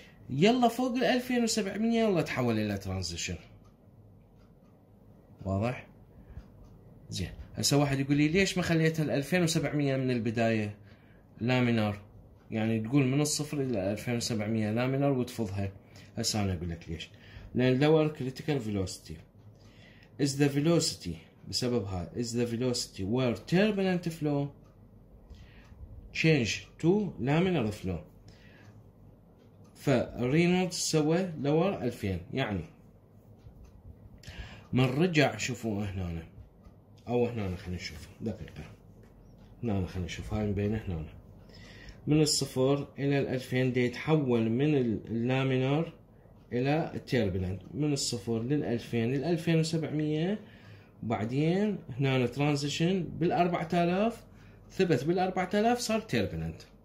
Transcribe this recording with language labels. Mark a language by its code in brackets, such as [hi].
[ar] يلا فوق 2700 يلا تحول الى ترانزيشن، واضح؟ زين، هسه واحد يقول لي ليش ما خليتها 2700 من البداية لامينار؟ يعني تقول من الصفر إلى 2700 لامينار وتفضها. هسه أنا أقول لك ليش؟ [en] لأن lower critical velocity is the velocity، بسببها is the velocity where turbulent flow change to laminar flow. [ar] فرينولد سوى lower 2000، يعني من رجع، شوفوا هنا أنا. او هنا خلينا نشوف دقيقة، هنا خلينا نشوف هاي بين هنا أنا. من الصفر الى الالفين دي يتحول من اللامينار الى التيربلنت، من الصفر للالفين للالفين وسبعمية، بعدين هنا أنا ترانزيشن بالاربعة الاف، ثبت بالاربعة الاف صار تيربلنت.